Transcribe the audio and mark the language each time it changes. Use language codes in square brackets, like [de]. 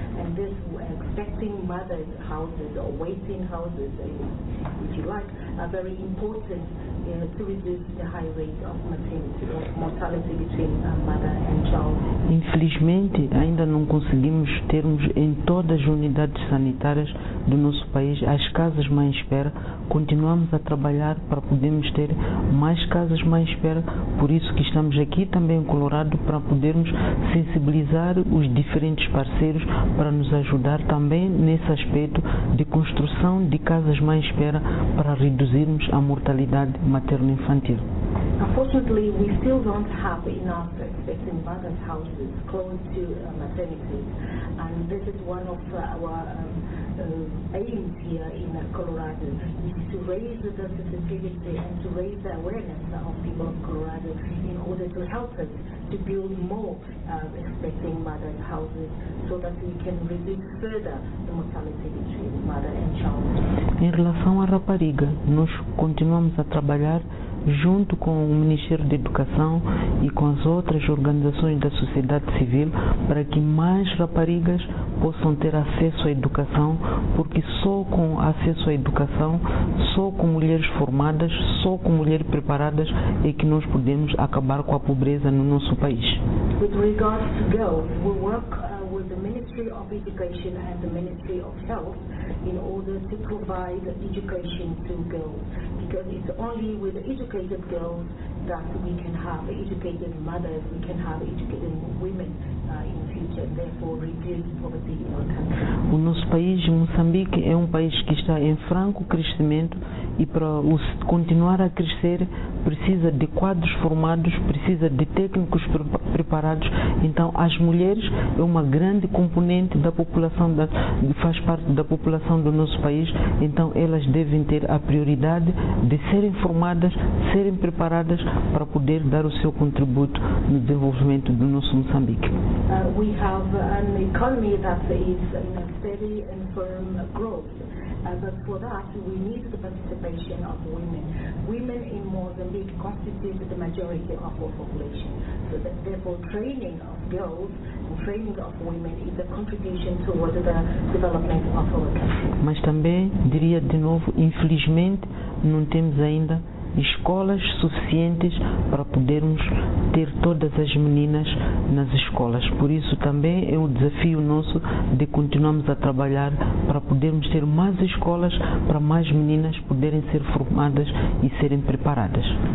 [en] And this, expecting mothers' houses or waiting houses, if you like, are very important to reduce the high rate of maternity or mortality between mother and child. [pt] Infelizmente, ainda não conseguimos termos em todas as unidades sanitárias do nosso país as casas mãe espera. Continuamos a trabalhar para podermos ter mais casas mãe espera. Por isso que estamos aqui também em Colorado, para podermos sensibilizar os diferentes parceiros para nos ajudar também nesse aspecto de construção de casas mãe espera, para reduzirmos a mortalidade materno-infantil. [en] Unfortunately, we still don't have enough expecting mothers' houses close to maternity, and this is one of our aims here in Colorado, is to raise the sensitivity and to raise the awareness of people of Colorado in order to help us to build more expecting mothers' houses so that we can reduce further the mortality between mother and child. [pt] Em relação à rapariga, nós continuamos a trabalhar junto com o Ministério da Educação e com as outras organizações da sociedade civil, para que mais raparigas possam ter acesso à educação, porque só com acesso à educação, só com mulheres formadas, só com mulheres preparadas, é que nós podemos acabar com a pobreza no nosso país. [en] With regards to girls, we work with the Ministry of Education and the Ministry of Health in order to provide education to girls, because it's only with educated girls that we can have educated mothers, we can have educated women in the future, therefore reduce poverty in our country. [pt] O nosso país, Moçambique, é um país que está em franco crescimento, e para continuar a crescer precisa de quadros formados, precisa de técnicos preparados. Então, as mulheres é uma grande componente da população, faz parte da população do nosso país. Então, elas devem ter a prioridade de serem formadas, serem preparadas para poder dar o seu contributo no desenvolvimento do nosso Moçambique. [en] We have an economy that is in a steady and firm growth. But for that, we need the participation of women. Women in Mozambique constitute the majority of our population. So that, therefore, training of girls and training of women is a contribution towards the development of our country. [pt] Mas também, diria de novo, infelizmente, não temos ainda escolas suficientes para podermos ter todas as meninas nas escolas. Por isso também é um desafio nosso de continuarmos a trabalhar para podermos ter mais escolas, para mais meninas poderem ser formadas e serem preparadas.